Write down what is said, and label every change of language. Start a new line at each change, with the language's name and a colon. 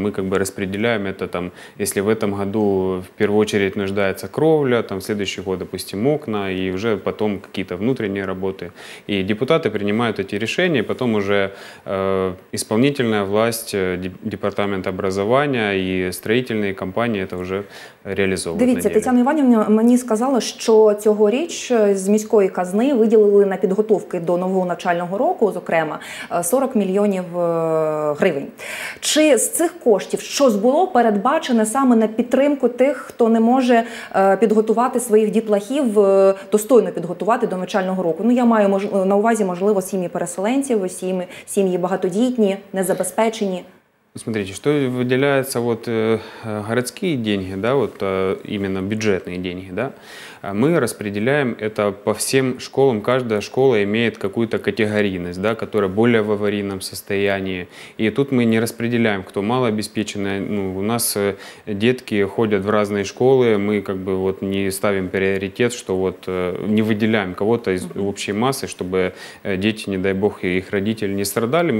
Russian: Мы как бы распределяем это там, если в этом году в первую очередь нуждается кровля, там в следующий год, допустим, окна, и уже потом какие-то внутренние работы. И депутаты принимают эти решения, потом уже исполнительная власть, департамент образования и строительные компании это уже реалізовано.
Ukrainian: Дивіться, Тетяна Іванівна мені сказала, що цьогоріч з міської казни виділили на підготовки до нового навчального року, зокрема, 40 мільйонів гривень. Чи з цих коштів щось було передбачене саме на підтримку тих, хто не може підготувати своїх дітлахів, достойно підготувати до навчального року? Ну, я маю на увазі, можливо, сім'ї переселенців, сім'ї багатодітні, незабезпечені.
Russian: Смотрите, что выделяется вот городские деньги, да, вот именно бюджетные деньги, да, мы распределяем это по всем школам. Каждая школа имеет какую-то категорийность, да, которая более в аварийном состоянии. И тут мы не распределяем, кто малообеспеченный. Ну, у нас детки ходят в разные школы, мы как бы вот не ставим приоритет, что вот не выделяем кого-то из общей массы, чтобы дети, не дай бог, и их родители не страдали.